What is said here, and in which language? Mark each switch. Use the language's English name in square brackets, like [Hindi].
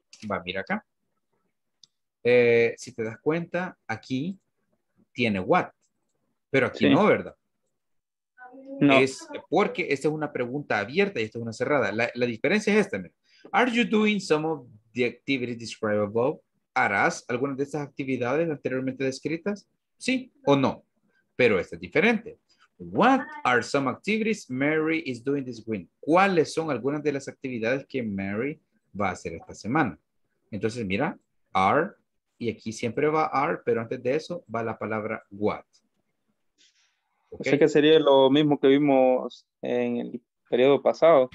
[Spanish] Va, mira acá. Si te das cuenta, aquí tiene what, pero aquí sí. No, ¿verdad? No. Es porque esta es una pregunta abierta y esta es una cerrada. La diferencia es esta. Mira. [English] Are you doing some of the activities described above? [Spanish] ¿Harás algunas de estas actividades anteriormente descritas? Sí o no. Pero esta es diferente. [English] What are some activities Mary is doing this week? [Spanish] ¿Cuáles son algunas de las actividades que Mary va a hacer esta semana? Entonces, mira, are, y aquí siempre va are, pero antes de eso va la palabra what. Okay. O sea que sería lo mismo que vimos en el periodo pasado.